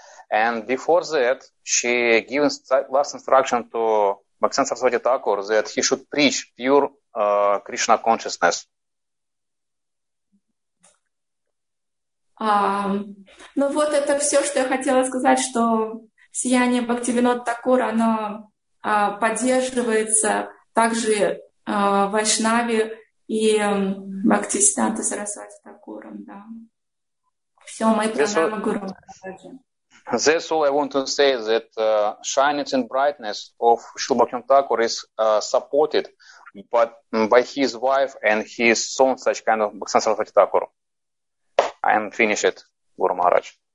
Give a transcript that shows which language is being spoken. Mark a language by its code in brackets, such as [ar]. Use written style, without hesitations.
[en] And before that, she gave last instruction to Bhaktivinoda Saraswati Thakur that he should preach pure Krishna consciousness. [ru] Ну вот это все, что я хотела сказать, что сияние Бхактивинода Такура, оно поддерживается также Вайшнави и Бхактисиддханта Сарасвати Такура. Да. Все, мои программы Гуру Махараджа. [en] That's all I want to say, that shining and brightness of Śrīla Bhaktivinoda Thakur is supported by his wife and his son, such kind of Bhaktivinoda Saraswati Thakur. I am finished, Guru Maharaj.